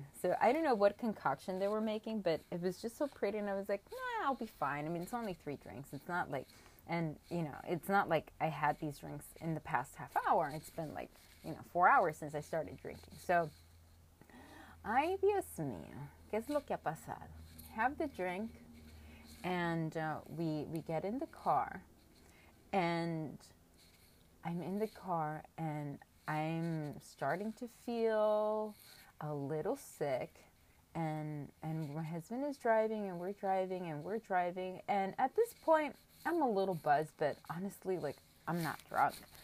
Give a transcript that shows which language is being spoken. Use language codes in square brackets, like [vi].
[en] So I don't know what concoction they were making, but it was just so pretty, and I was like, nah, I'll be fine. I mean, it's only three drinks. It's not like, and it's not like I had these drinks in the past half hour. It's been like, 4 hours since I started drinking. [es] So, ay, Dios mío, ¿qué es lo que ha pasado? [en] Have the drink, and we get in the car, and I'm in the car, and I'm starting to feel a little sick, and my husband is driving, and we're driving, and at this point, I'm a little buzzed, but honestly, like, I'm not drunk.